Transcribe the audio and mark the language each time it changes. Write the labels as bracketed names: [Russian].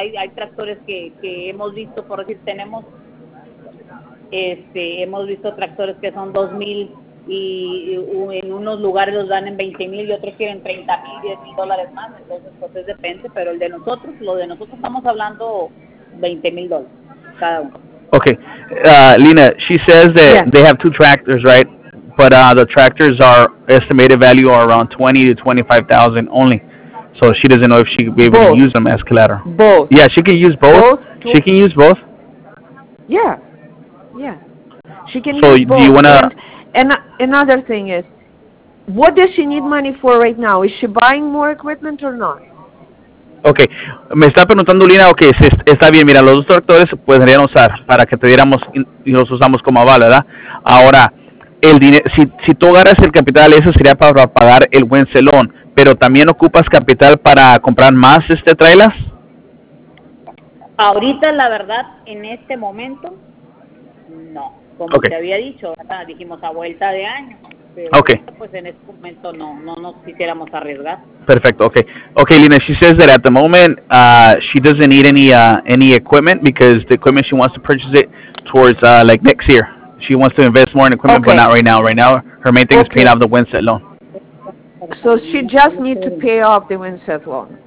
[Spanish] Hay tractores que hemos visto, por decir, hemos visto tractores que son 2,000, y en unos lugares los dan en $20,000 y otros quieren $30,000, $10,000 más. Entonces depende, pero el de nosotros, lo de nosotros estamos hablando $20,000 cada uno. [English] Okay, Lina, she says that they have 2 tractors, right? But the tractors are estimated value are around $20,000 to $25,000 only. So she doesn't know if she could be able to use them as collateral. Both. Yeah, she can use both. She can use both. Yeah, yeah. She can. So use both. Do you wanna? And another thing is, what does she need money for right now? Is she buying more equipment or not? [Spanish] Okay, me está preguntando Lina, okay, está bien, mira, los dos tractores podrían usar para que te diéramos y los usamos como aval, ¿verdad? Ahora, el dinero, si tú agarras el capital, eso sería para pagar el buen celón, pero también ocupas capital para comprar más trailers? Ahorita, la verdad, en este momento, no. Como [English] okay. [Spanish] Te había dicho, ¿verdad? Dijimos a vuelta de año. [English] Okay. [Spanish] Pues en este momento no nos quisiéramos arriesgar. Perfecto, okay. [English] Okay, Lina, she says that at the moment she doesn't need any equipment because the equipment she wants to purchase it towards like next year. She wants to invest more in equipment, okay. But not right now. Right now, her main thing is paying off the Winset loan. So she just needs to pay off the Winset loan.